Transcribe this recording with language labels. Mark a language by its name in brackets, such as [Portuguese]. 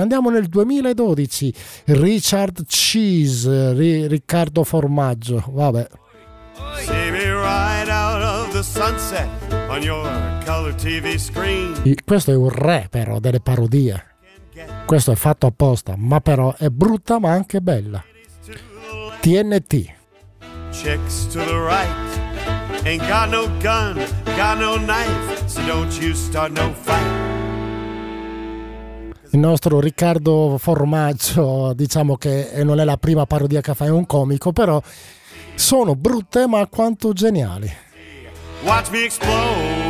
[Italian] Andiamo nel 2012. Richard Cheese, Riccardo Formaggio, vabbè. [English] See me right out of the sunset on your color TV screen. [Italian] Questo è un re però delle parodie. Questo è fatto apposta, ma però è brutta ma anche bella. [English] TNT. Chicks to the right. Ain't got no gun, got no knife, so don't you start no fight. [Italian] Il nostro Riccardo Formaggio, diciamo che non è la prima parodia che fa, è un comico, però sono brutte ma quanto geniali. [English] Watch me explode.